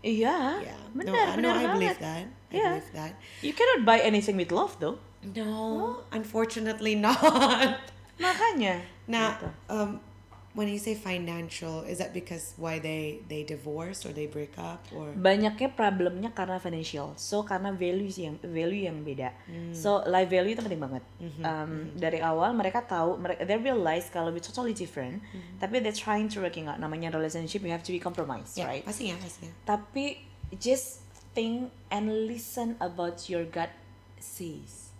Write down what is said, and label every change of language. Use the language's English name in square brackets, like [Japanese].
[Indonesian] Iya. [English] Yeah. Yeah. [Indonesian] Benar. [English] No, [Indonesian] benar [English] I believe that. Yeah. I believe that. You cannot buy anything with love though. No, unfortunately not. [Indonesian] Makanya. [English] Nah, when you say financial, is that because why they divorce or they break up or [Indonesian] banyaknya problemnya karena financial. So karena value yang beda. So life value itu penting banget. Dari awal mereka tahu [English] they realize [Indonesian] kalau [English] we totally different, [Indonesian] tapi [English] they trying to working out. Namanya relationship you have to be compromise, yeah, right? [Indonesian] Pastinya, pastinya. [English] Tapi just think and listen about your gut says.